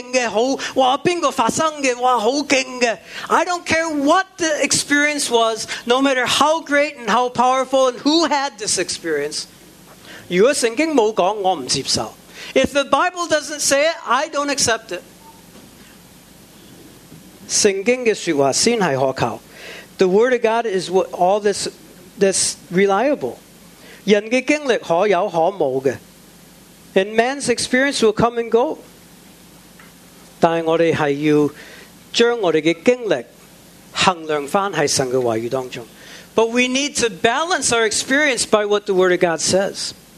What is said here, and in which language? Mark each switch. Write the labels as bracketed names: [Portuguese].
[Chinese] 我不理是什么经历,有什么很厉害,很厉害,很厉害,哇,谁发生的,哇,很厉害. [English] I don't care what the experience was, no matter how great and how powerful and who had this experience. [Chinese] 如果圣经没有说,我不接受. [English] If the Bible doesn't say it, I don't accept it. [Chinese] 圣经的说话才是可靠. [English] The Word of God is what all this reliable. [Chinese] 人的经历可有可无的. [English] And man's experience will come and go. [Chinese] 但是我们是要将我们的经历衡量在神的话语当中. [English] But we need to balance our experience by what the Word of God says.